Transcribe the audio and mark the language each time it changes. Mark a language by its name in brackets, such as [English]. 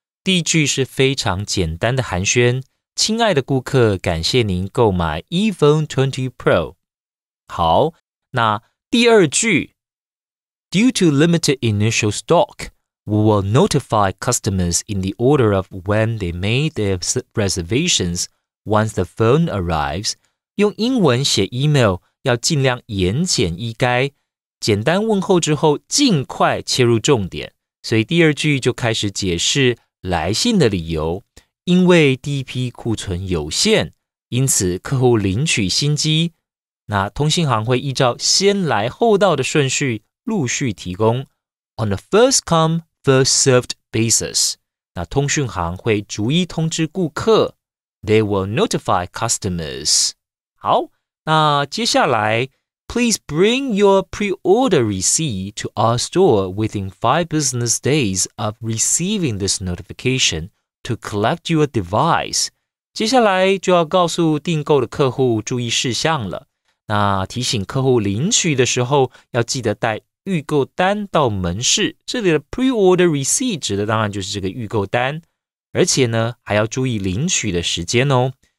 [Chinese] 第一句是非常简单的寒暄。亲爱的顾客，感谢您购买 iPhone 20 Pro。好，那第二句 [English] Due to limited initial stock, we will notify customers in the order of when they made their reservations once the phone arrives. [Chinese] 用英文写 email 要尽量言简意赅，简单问候之后尽快切入重点。所以第二句就开始解释来信的理由，因为第一批库存有限，因此客户领取新机，那通信行会依照先来后到的顺序陆续提供 [English] On a first come, first served basis， [Chinese] 那通讯行会逐一通知顾客 [English] They will notify customers。 [Chinese] 好，那接下来 [English] Please bring your pre-order receipt to our store within 5 business days of receiving this notification to collect your device. [Chinese] 接下来就要告诉订购的客户注意事项了。那提醒客户领取的时候要记得带预购单到门市。这里的 pre-order receipt 指的当然就是这个预购单，而且呢还要注意领取的时间哦。